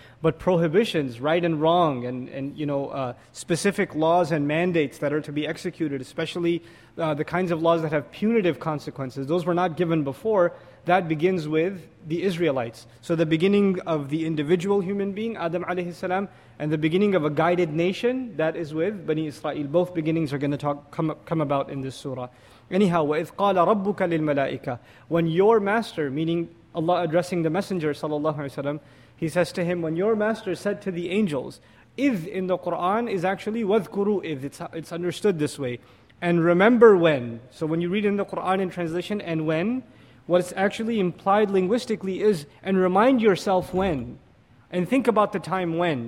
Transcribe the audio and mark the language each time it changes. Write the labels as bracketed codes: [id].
[en] But prohibitions, right and wrong, and specific laws and mandates that are to be executed, especially the kinds of laws that have punitive consequences, those were not given before. That begins with the Israelites. So the beginning of the individual human being, Adam alayhi salam, and the beginning of a guided nation, that is with Bani Israel. Both beginnings are going to come about in this surah. Anyhow, [ar] وَإِذْ قَالَ رَبُّكَ لِلْمَلَائِكَةِ. [en] When your master, meaning Allah addressing the messenger sallallahu alayhi wasallam, He says to him, when your master said to the angels, إِذْ in the Qur'an is actually [ar] وَذْكُرُوا إِذْ. [en] It's understood this way. And remember when. So when you read in the Qur'an in translation, and when, what's actually implied linguistically is, and remind yourself when, and think about the time when.